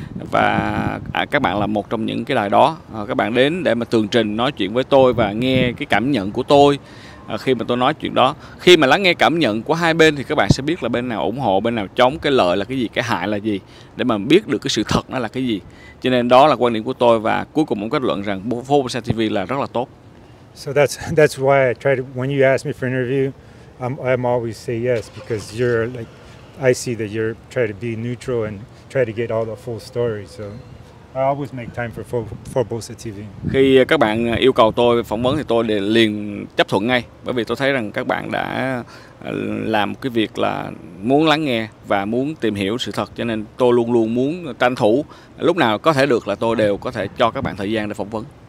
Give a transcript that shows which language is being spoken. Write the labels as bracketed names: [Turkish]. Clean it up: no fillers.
[Vietnamese] Và các bạn là một trong những cái đài đó. Các bạn đến để mà tường trình nói chuyện với tôi và nghe cái cảm nhận của tôi khi mà tôi nói chuyện đó. Khi mà lắng nghe cảm nhận của hai bên thì các bạn sẽ biết là bên nào ủng hộ, bên nào chống, cái lợi là cái gì, cái hại là gì, để mà biết được cái sự thật nó là cái gì. Cho nên đó là quan điểm của tôi, và cuối cùng cũng kết luận rằng Phố Bosa TV là rất là tốt. [English] So that's why I try to, when you ask me for an interview, I'm always say yes, because you're like, I see that you're trying to be neutral and try to get all the full story. So I always make time for Bosa TV. [Vietnamese] Khi các bạn yêu cầu tôi phỏng vấn thì tôi liền chấp thuận ngay, bởi vì tôi thấy rằng các bạn đã làm cái việc là muốn lắng nghe và muốn tìm hiểu sự thật, cho nên tôi luôn luôn muốn tranh thủ lúc nào có thể được là tôi đều có thể cho các bạn thời gian để phỏng vấn.